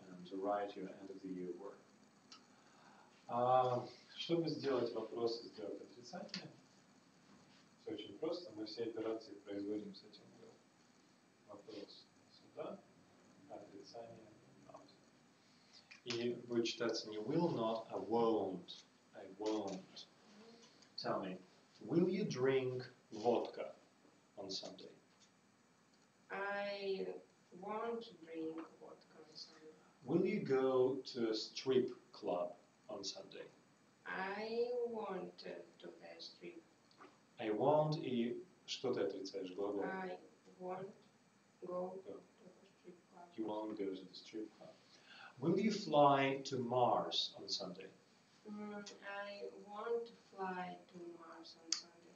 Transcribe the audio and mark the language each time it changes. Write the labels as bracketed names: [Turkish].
[English] To write your end of the year work. [Russian] Чтобы сделать вопрос и сделать отрицание, все очень просто. Мы все операции производим с этим делом. Вопрос сюда, отрицание not. И будет читаться не will not, а won't. [English] I won't. Tell me, will you drink vodka on Sunday? I won't drink vodka on Sunday. Will you go to a strip club on Sunday? I won't to a strip. I won't. [Russian] И что ты отрицаешь глагол? [English] I won't go to a strip club. You won't go to the strip club. Will you fly to Mars on Sunday? I won't fly to Mars on Sunday.